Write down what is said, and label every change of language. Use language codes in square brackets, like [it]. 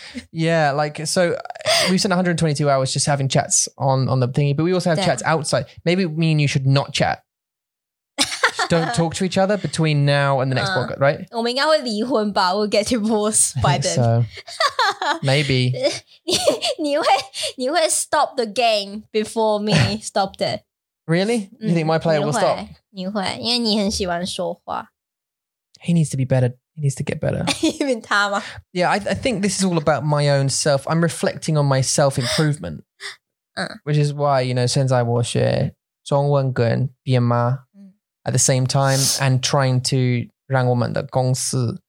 [en] Yeah, like so we've spent 122 hours just having chats on the thingy, but we also have chats outside. Maybe me and you should not chat. don't talk to each other between now and the next book, right? [zh] 我们应该会离婚吧? [en] We'll get divorced by then. So, maybe. [zh] 你会 [en] stop the game before me stopped it. Really? You think my player will stop? [zh] 你会，因为你很喜欢说话。 [en] He needs to be better. He needs to get better. You mean [zh] 他吗? [en] Yeah, I think this is all about my own self. I'm reflecting on my self-improvement. Which is why, you know, [zh] 现在我学中文跟编码 [en] at the same time and trying to [zh] 让我们的公司